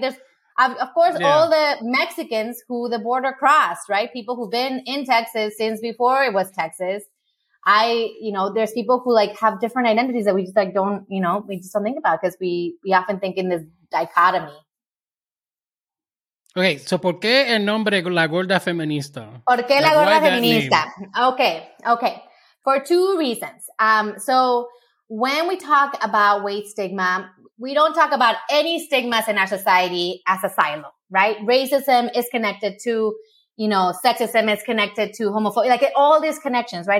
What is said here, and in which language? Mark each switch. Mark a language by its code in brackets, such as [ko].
[en] There's, of course, all the Mexicans who the border crossed, right? People who've been in Texas since before it was Texas. You know, there's people who like have different identities that we just like don't, you know, we just don't think about because we often think in this dichotomy. [es] Okay, so ¿por qué el nombre La Gorda Feminista? ¿Por qué [en] La Gorda Feminista? Okay. For two reasons. So when we talk about weight stigma, we don't talk about any stigmas in our society as a silo, right? Racism is connected to, you know, sexism is connected to homophobia, like all these connections, right?